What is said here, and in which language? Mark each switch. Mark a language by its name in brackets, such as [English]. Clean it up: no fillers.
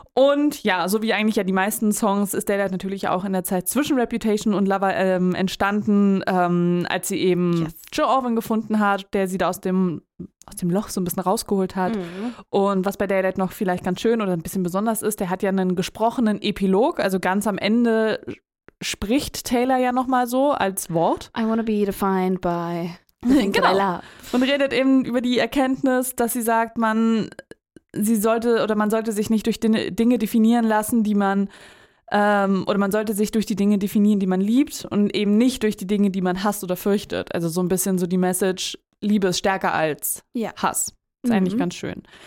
[German] Und ja, so wie eigentlich ja die meisten Songs, ist Daylight natürlich auch in der Zeit zwischen Reputation und Lover entstanden, als sie eben Joe Alwyn gefunden hat, der sie da aus dem Loch so ein bisschen rausgeholt hat. Und was bei Daylight noch vielleicht ganz schön oder ein bisschen besonders ist, der hat ja einen gesprochenen Epilog, also ganz am Ende spricht Taylor ja nochmal so als Wort. [English] I want to be defined by the things [German] genau. [English] that I love. [German] Und redet eben über die Erkenntnis, dass sie sagt, man sollte sich nicht durch Dinge definieren lassen, die man oder man sollte sich durch die Dinge definieren, die man liebt und eben nicht durch die Dinge, die man hasst oder fürchtet. Also so ein bisschen so die Message, Liebe ist stärker als Hass. Ist eigentlich ganz schön.